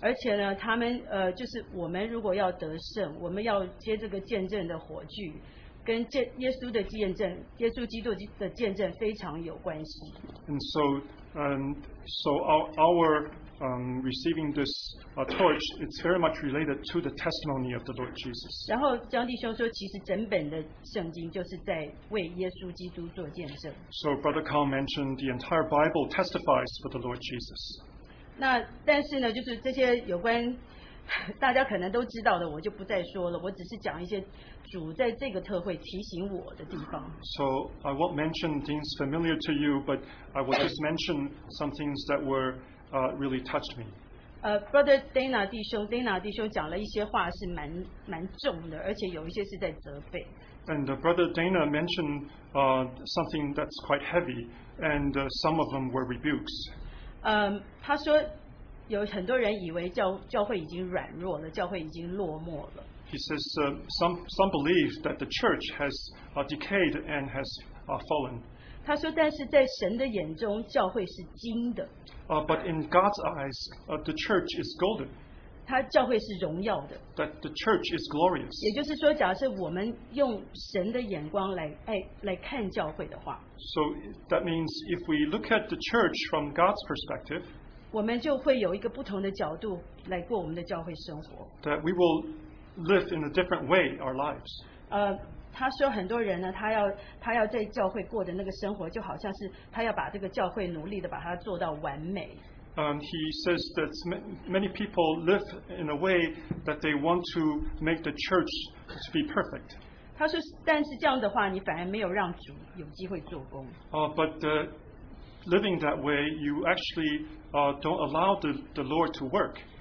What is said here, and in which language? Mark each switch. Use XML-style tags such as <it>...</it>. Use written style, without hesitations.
<zh>而且呢，他们就是我们如果要得胜，我们要接这个见证的火炬。跟耶稣的见证，耶稣基督的见证非常有关系。</zh> <en>And so our receiving this torch, it's very much related to the testimony of the Lord Jesus.</en> <zh>然后江弟兄说，其实整本的圣经就是在为耶稣基督做见证。</zh> <en>So Brother Kong mentioned the entire Bible testifies for the Lord Jesus.</en> <zh>那但是呢，就是这些有关大家可能都知道的，我就不再说了。我只是讲一些主在这个特会提醒我的地方。</zh> <en>So I won't mention things familiar to you, but I will just mention some things that were really touched me.</en> <zh>Brother Dana 弟兄讲了一些话是蛮重的，而且有一些是在责备。</zh> <en>And Brother Dana mentioned something that's quite heavy, and some of them were rebukes.</en> <zh>他说。有很多人以为教会已经软弱了，教会已经落寞了。</zh> <en>He says some believe that the church has decayed and has fallen.</en> <zh>他说，但是在神的眼中，教会是金的。</zh> <en>But in God's eyes, the church is golden.</en> <zh>他教会是荣耀的。</zh> <en>That the church is glorious.</en> <zh>也就是说，假设我们用神的眼光来看教会的话</zh> <en>，So that means if we look at the church from God's perspective.</en> <zh>我们就会有一个不同的角度来过我们的教会生活。</zh> <en>That we will live in a different way our lives.</en> <zh>他说很多人呢，他要在教会过的那个生活，就好像是他要把这个教会努力的把它做到完美。</zh> <en>He says that many people live in a way that they want to make the church to be perfect.</en> <zh>他说，但是这样的话，你反而没有让主有机会做工。</zh> <en>But living that way, you actually don't allow the Lord to work.</en>